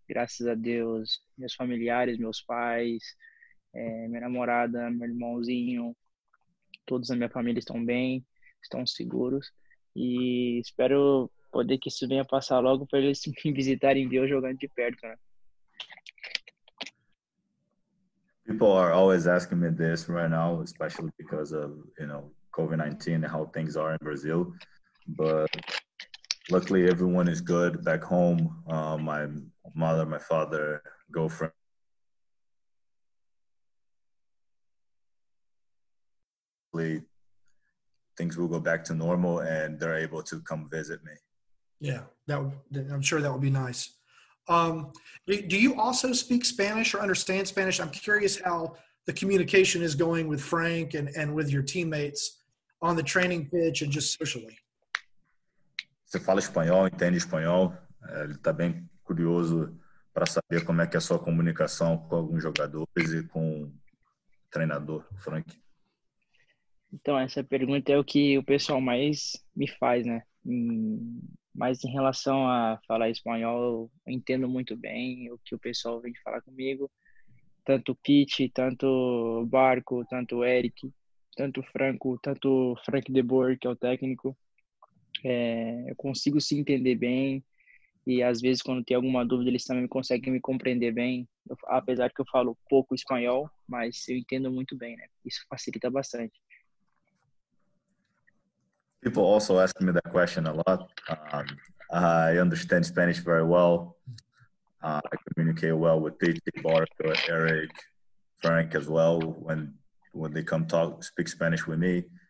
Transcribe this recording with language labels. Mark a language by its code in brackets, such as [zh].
[pt] Graças a Deus, meus familiares, meus pais, minha namorada, meu irmãozinho, todos na minha família estão bem, estão seguros. E espero poder que isso venha passar logo para eles me visitarem e ver eu jogando de perto, né? [en] People are always asking me this right now, especially because of, you know, COVID-19 and how things are in Brazil. But luckily, everyone is good back home. My mother, my father, girlfriend. Hopefully, things will go back to normal and they're able to come visit me. Yeah, I'm sure that would be nice. Do you also speak Spanish or understand Spanish? I'm curious how the communication is going with Frank and with your teammates on the training pitch and just socially. [pt] Você fala espanhol, entende espanhol? Ele está bem curioso para saber como é que é a sua comunicação com alguns jogadores e com o treinador, Frank. Então, essa pergunta é o que o pessoal mais me faz, né? Mas em relação a falar espanhol, eu entendo muito bem o que o pessoal vem falar comigo. Tanto Pete, tanto Barco, tanto Eric, tanto Frank De Boer, que é o técnico. Eu consigo se entender bem. E às vezes, quando tem alguma dúvida, eles também conseguem me compreender bem. Apesar que eu falo pouco espanhol, mas eu entendo muito bem, né? Isso facilita bastante. [en] People also ask me that question a lot. I understand Spanish very well. I communicate well with Pete, Barco, Eric, Frank as well when they come speak Spanish with me.